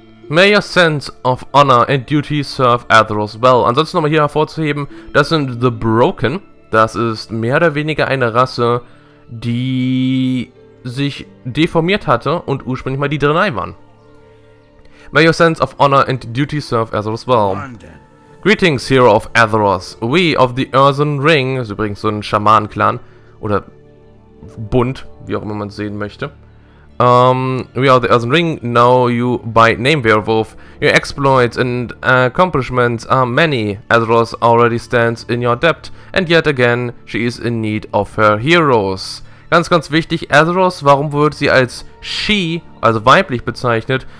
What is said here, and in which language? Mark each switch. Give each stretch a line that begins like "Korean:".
English: May your sense of honor and duty serve Atheros well.
German: Ansonsten nochmal hier hervorzuheben: Das sind The Broken. Das ist mehr oder weniger eine Rasse, die sich deformiert hatte und ursprünglich mal die Drenai waren.
English: May your sense of honor and duty serve Atheros well. Greetings, Hero of Atheros. We of the Earthen Ring,
German: ist übrigens so ein Schamanen-Clan, oder Bund, wie auch immer man es sehen möchte.
English: We of the Earthen Ring know you by name, Werewolf. Your exploits and accomplishments are many. Atheros already stands in your debt, and yet again, she is in need of her heroes.
German: Ganz, ganz wichtig, Atheros, warum wird sie als She, also weiblich bezeichnet?